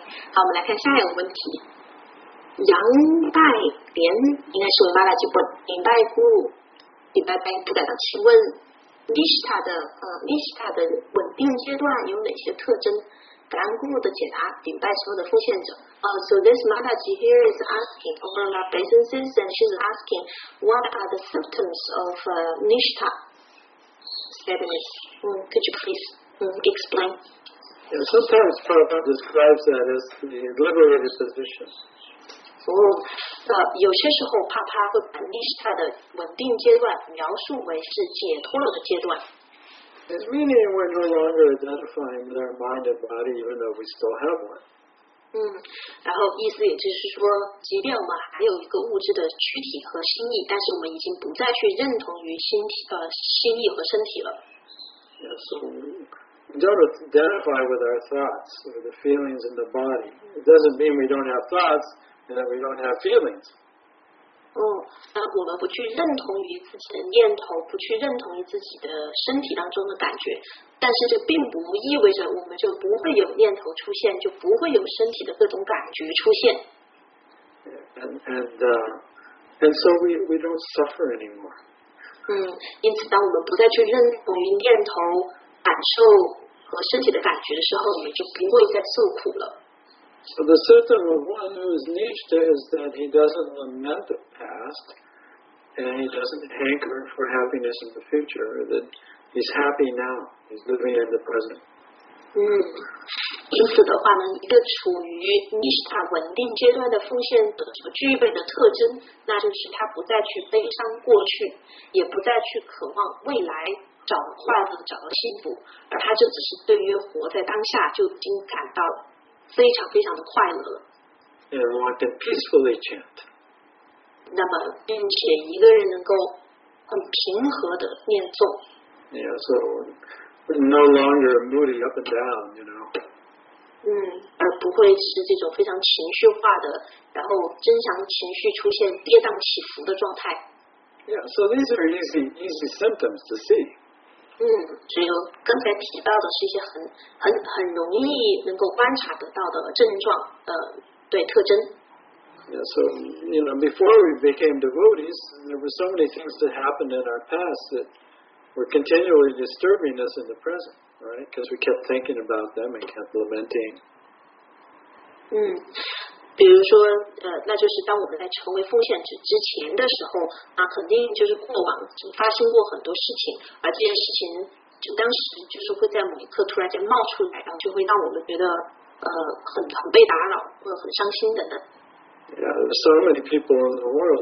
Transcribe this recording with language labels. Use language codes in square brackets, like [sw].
[zh] 好，我们来看下一个问题。杨拜莲应该是我们巴拉吉问，林拜姑在提问。 Nishtha的稳定阶段有哪些特征？感恩姑的解答，顶拜所有的奉献者。 [en] So this Mataji here is asking overlap businesses, and she's asking what are the symptoms of Nishtha steadiness? Could you please explain? Yeah, sometimes Prabhupada describes that as the liberated position. [zh] 有些时候怕他会把 Nishtha 的稳定阶段描述为是解脱了的阶段。 [en] It's meaning we're no longer identifying with our mind and body, even though we still have one. [zh] 然后意思也就是说，即便我们还有一个物质的躯体和心意，但是我们已经不再去认同于心意和身体了。 [en] Yes, so we don't identify with our thoughts or the feelings in the body. It doesn't mean we don't have thoughts and that we don't have feelings. [zh] 那我们不去认同于自己的念头，不去认同于自己的身体当中的感觉，但是这并不意味着我们就不会有念头出现，就不会有身体的各种感觉出现。 [en] And so we don't suffer anymore. [zh] 因此当我们不再去认同于念头、感受和身体的感觉的时候，我们就不会再受苦了。 [en] So the symptom of one who is Nishtha is that he doesn't lament the past and he doesn't hanker for happiness in the future, that he's happy now, he's living in the present. [zh] 因此的话呢，一个处于 Nishtha 稳定阶段的奉献者所具备的特征，那就是他不再去悲伤过去，也不再去渴望未来找快乐、找到幸福，而他就只是对于活在当下就已经感到了非常非常的快乐了。 [en] And want to peacefully chant. [zh] 那么，并且一个人能够很平和的念诵。 [en] Yeah, so no longer moody up and down, you know. [zh] 而不会是这种非常情绪化的，然后增强情绪出现跌宕起伏的状态。 [en] Yeah, so these are easy symptoms to see. [zh] 所以刚才提到的是一些很容易能够观察得到的症状，对特征。 [en] Yeah, so you know, before we became devotees, there were so many things that happened in our past that were continually disturbing us in the present, right? Because we kept thinking about them and kept lamenting. [zh] 比如说，那就是当我们在成为奉献者之前的时候，那肯定就是过往发生过很多事情，而这件事情就当时就是会在某一刻突然间冒出来，然后就会让我们觉得很被打扰或者很伤心等等。 [en] Yeah, there's so many people in the world.